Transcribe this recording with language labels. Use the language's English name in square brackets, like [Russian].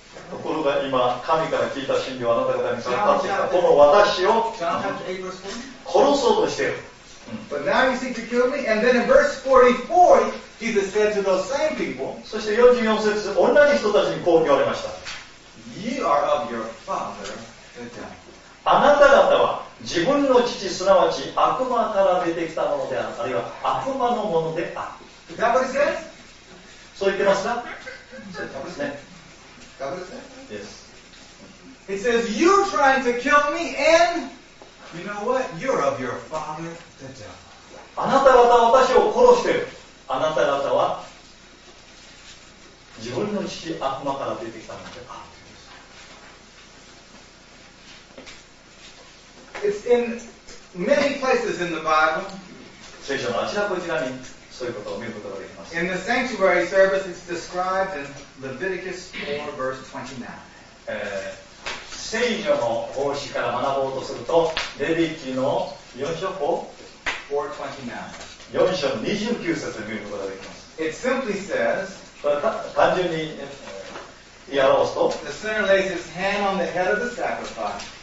[Japanese] ところが今神から聞いた真理をあなた方に伝えたこの私を殺そうとしている。 [English] But now you seek to kill me, and then in verse 44, Jesus said to those same people. [Japanese] そして44節同じ人たちにこう言われました。 [English] You are of your father, the devil. [Japanese] あなた方は自分の父すなわち悪魔から出てきたものである、あるいは悪魔のものである。 [English] Is that what he says? [Japanese] そう言ってますか？ダブルですね。 [English] Yes. It says, you're trying to kill me and you know what? You're of your father, the devil. [Japanese] あなた方は私を殺してる。あなた方は自分の父、悪魔から出てきたので、あ。 [English] It's in many places in the Bible. [Japanese] 聖書のあちらこちらに。そういうことを見ることができます。 [English] In the sanctuary service, it's described in Leviticus 4, verse 29. [Japanese] 聖女の奉仕から学ぼうとすると、レビ記の4章 [English] 4:29. [Japanese] 4章29節で見ることができます。 [English] It simply says, [Japanese] 単純に表すと、 [English] The sinner lays his hand on the head of the sacrifice.